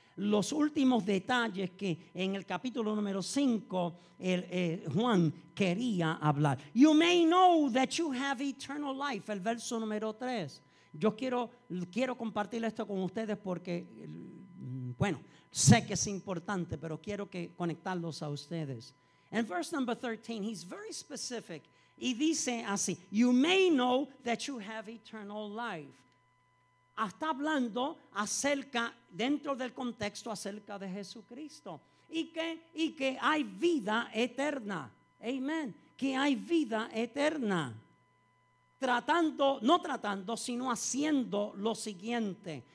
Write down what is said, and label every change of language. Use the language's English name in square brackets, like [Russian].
[Spanish] Los últimos detalles que en el capítulo número 5 Juan quería hablar. [English] You may know that you have eternal life, [Spanish] el verso número 3. Yo quiero compartir esto con ustedes porque, bueno, sé que es importante, pero quiero que conectarlos a ustedes. [English] In verse number 13, he's very specific. [Spanish] Y dice así, [English] you may know that you have eternal life. [Spanish] Está hablando acerca, dentro del contexto, acerca de Jesucristo. Y que hay vida eterna. Amen. Que hay vida eterna. Tratando, no tratando, sino haciendo lo siguiente.